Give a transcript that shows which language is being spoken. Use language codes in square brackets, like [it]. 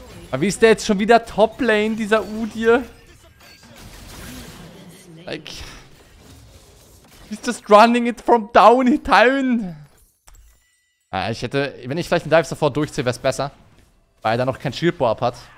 [de] Aber wie ist der jetzt schon wieder Top Lane, dieser Udyr? [en] Like. He's just running it from down in town. [de] Ah, ich hätte. Wenn ich vielleicht den Dive sofort durchziehe, wäre es besser. Weil er dann noch kein Shieldbow up hat.